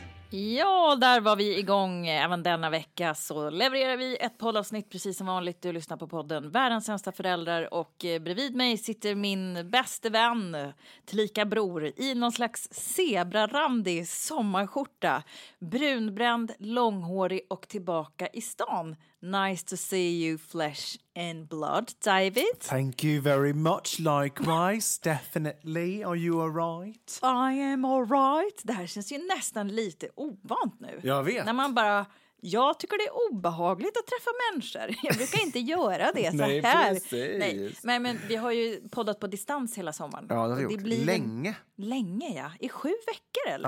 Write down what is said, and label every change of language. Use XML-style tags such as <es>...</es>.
<sv>Ja, där var vi igång. Även denna vecka så levererar vi ett poddavsnitt precis som vanligt. Du lyssnar på podden Världens sämsta föräldrar, och bredvid mig sitter min bäste vän, tillika bror, i någon slags zebrarandig sommarskjorta. Brunbränd, långhårig och tillbaka i stan.</sv> <en>Nice to see you, flesh and blood, David. Thank you very much, likewise. Definitely. Are you all right? I am all right.</en> <sv>Det här känns ju nästan lite ovant nu. Jag vet. När man bara, jag tycker det är obehagligt att träffa människor. Jag brukar inte göra det så nej, här. Precis. Nej, precis. Men vi har ju poddat på distans hela sommaren. Ja, det har det blir länge. Länge, ja. I 7 veckor, eller?</sv>